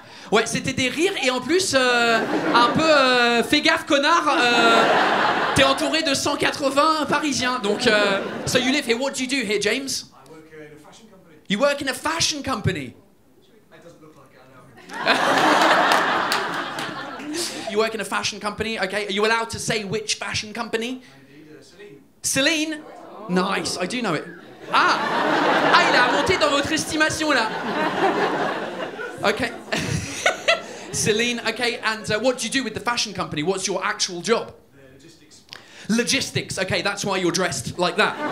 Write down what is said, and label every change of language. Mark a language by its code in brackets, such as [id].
[fr] Ouais, c'était des rires et en plus, un peu, fais gaffe connard, t'es entouré de 180 Parisiens, donc, [en] so you live here, what do you do here, James? I work in a fashion company. You work in a fashion company? It doesn't look like it, I know. You work in a fashion company, okay, are you allowed to say which fashion company? Indeed, Celine. Celine? Oh. Nice, I do know it. [fr] Ah, ah, il a monté dans votre estimation, là. [en] Okay. Celine, okay, and what do you do with the fashion company? What's your actual job? The logistics. Logistics, okay, that's why you're dressed like that.